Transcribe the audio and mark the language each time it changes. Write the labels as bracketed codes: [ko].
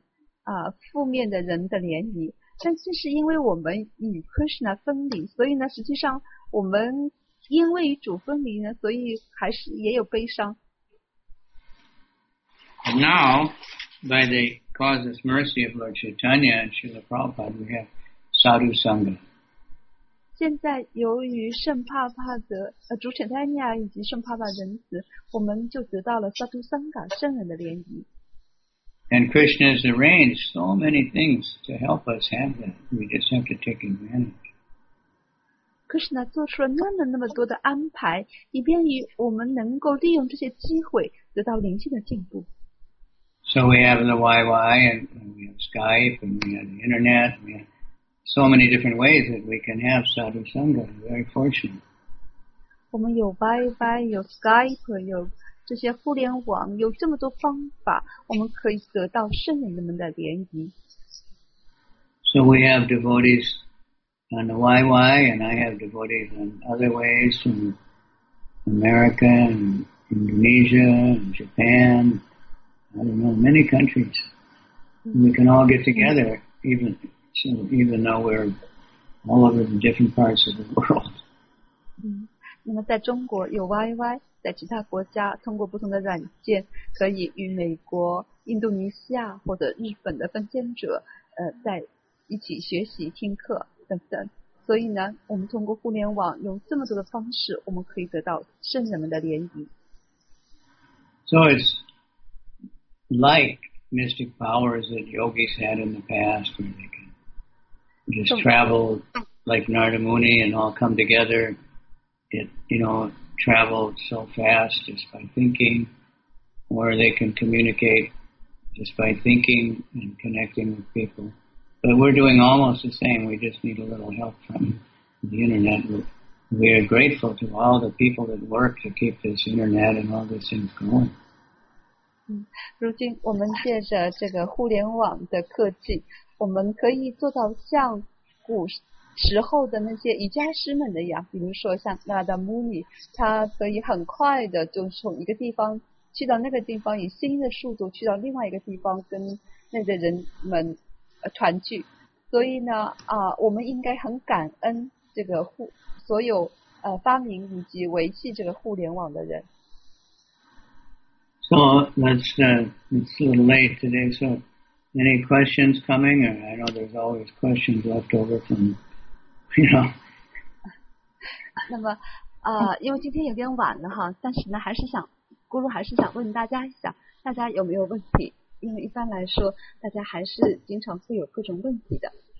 [zh] 就不应该去寻找那些悲伤的人,负面的人的联谊。但正是因为我们与Krishna分离,所以呢,实际上我们 因为主分离呢，所以还是也有悲伤。 [en] Now, by the causeless mercy of Lord Chaitanya and Srila Prabhupada, we have sadhu sangha. [zh] 现在由于圣帕帕的主Chaitanya以及圣帕帕仁慈，我们就得到了 sadhu sangha 圣人的联谊。 [en] And Krishna has arranged so many things to help us have that. We just have to take advantage. [zh] Krishna 做出了那么多的安排 以便于我们能够利用这些机会得到灵性的进步 [en] So we have the YY and we have Skype and we have the internet and we have so many different ways that we can have sadhu sangha very fortunate [zh] 我们有 YY 有 Skype 有这些互联网有这么多方法我们可以得到圣人们的联谊 [en] So we have devotees on the YY, and I have devotees in other ways from America and Indonesia and Japan, I don't know, many countries. We can all get together, even so, even though we're all over the different parts of the world. [zh] 那么在中国有 YY， 在其他国家通过不同的软件可以与美国、印度尼西亚或者日本的奉献者在一起学习听课等等。所以呢，我们通过互联网用这么多的方式，我们可以得到圣人们的联谊。 [en] So it's like mystic powers that yogis had in the past, where they can just travel like Narada Muni and all come together. It, you know, traveled so fast just by thinking, or they can communicate just by thinking and connecting with people. But we're doing almost the same, we just need a little help from the internet. We are grateful to all the people that work to keep this internet and all these things going. [zh] 如今我们借着这个互联网的科技，我们可以做到像古时候的那些瑜伽师们的一样，比如说像那达穆尼，他可以很快的就从一个地方去到那个地方，以新的速度去到另外一个地方跟那些人们团聚。所以呢我们应该很感恩这个所有发明以及维系这个互联网的人。 [en] So it's a little late today, so any questions coming? Or I know there's always questions left over from, you know. [zh] 那么因为今天有点晚了哈，但是呢还是想，咕噜还是想问大家一下，大家有没有问题？因为一般来说大家还是经常会有各种问题的。